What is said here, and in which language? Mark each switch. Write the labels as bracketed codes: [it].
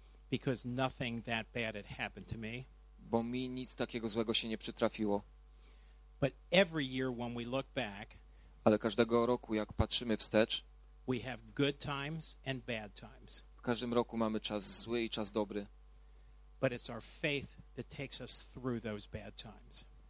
[en] Because nothing that bad had happened to me. [pl] Bo mi nic takiego złego się nie przytrafiło. [en] But every year when we look back, [pl] ale każdego roku, jak patrzymy wstecz, [en] we have good times and bad times. [pl] W każdym roku mamy czas zły i czas dobry. [en] But it's our faith that takes us through those bad times.